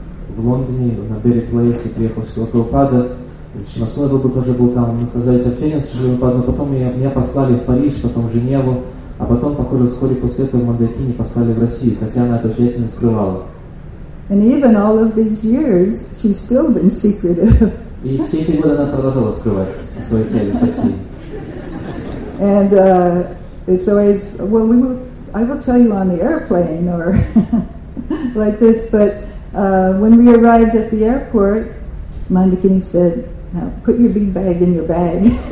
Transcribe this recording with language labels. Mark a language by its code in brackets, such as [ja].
[ru] В Лондоне, на Берри Плейсе, приехал Шрила Прабхупада, Шрила Сунадрабха уже был там, мы связались общением с Шрила Прабхупадой, но потом меня послали в Париж, потом в Женеву, а потом, похоже, вскоре после этого Мандакини послали в Россию, хотя она это тщательно скрывала. [en] And even all of these years, she's still been secretive. [ru] И все эти годы она продолжала скрывать о своей связи с Россией. [en] And it's always, well, I will tell you on the airplane or like this, but when we arrived at the airport, Mandakini said, "Now put your big bag in your bag."